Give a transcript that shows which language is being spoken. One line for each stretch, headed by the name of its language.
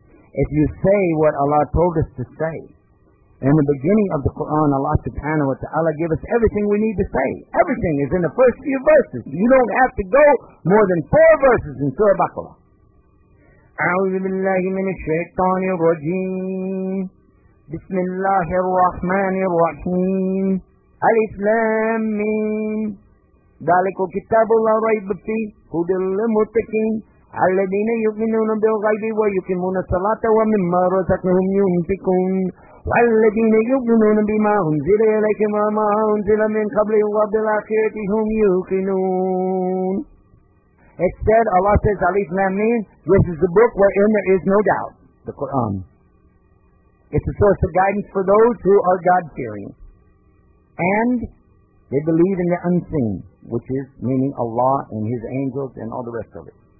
English: If you say what Allah told us to say, in the beginning of the Quran, Allah subhanahu wa ta'ala gave us everything we need to say. Everything is in the first few verses. You don't have to go more than four verses in Surah Baqarah.
Arabic: A'udhu billahi minash shaitani rajeem. بسم الله الرحمن الرحيم ألف لام ميم ذلك كتاب لا ريب فيه هدى للمتقين الذين يؤمنون بالغيب ويقيمون الصلاة ومما رزقهم ينفقون والذين يؤمنون بما أنزل إليك وما أنزل من قبل وبالآخرة هم يوقنون.
English: Instead, Allah says, ألف لام ميم, this is the book wherein there is no doubt, the Quran. It's a source of guidance for those who are God-fearing. And they believe in the unseen, which is meaning Allah and His angels and all the rest of it.